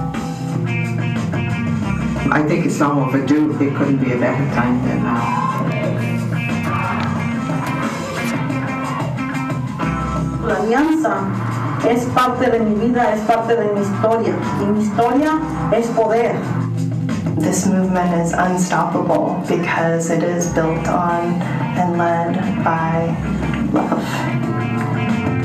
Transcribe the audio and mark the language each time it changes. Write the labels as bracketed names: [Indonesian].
[English] I think it's long overdue. It couldn't be a better time than now. [Spanish] La Alianza es parte de mi vida, es parte de mi historia, y mi historia es poder. [English] This movement is unstoppable because it is built on and led by love.